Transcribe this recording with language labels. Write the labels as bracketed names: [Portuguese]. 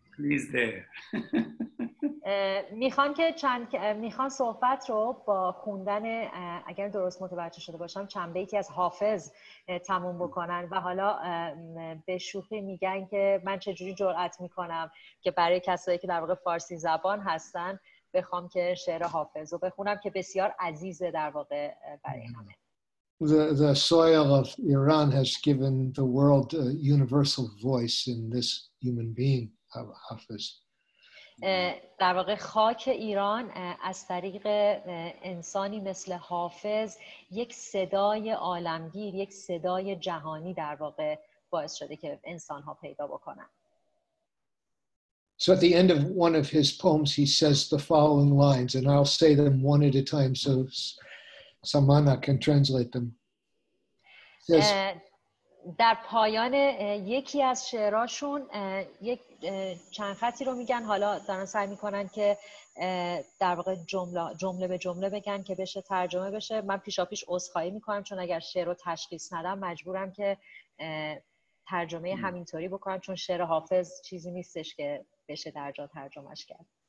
[English] He's there. [Persian] میخوان که چند میخوان صحبت رو با خوندن اگر درست متوجه شده باشم چند بیتی از حافظ تموم بکنن و حالا به شوخی میگن که من چجوری جرأت میکنم که برای کسایی که در واقع فارسی زبان هستن بخوام که شعر حافظ رو بخونم که بسیار عزیزه در واقع برای همه. [English] The soil of Iran has given the world a universal voice in this human being of Hafiz. [Persian] در واقع خاک ایران از طریق انسانی مثل حافظ یک صدای عالمگیر یک صدای جهانی در واقع باعث شده که انسان ها پیدا بکنن. [English] So at the end of one of his poems he says the following lines and I'll say them one at a time so Samana can translate them. Yes. [Persian] در پایان یکی از شعراشون یک چند خطی رو میگن حالا دارن سعی میکنن که در واقع جمله به جمله بگن که بشه ترجمه بشه. من پیشاپیش عذرخواهی میکنم چون اگر شعر رو تشخیص ندم مجبورم که ترجمه همینطوری بکنم چون شعر حافظ چیزی نیستش که بشه در جا ترجمهش کرد.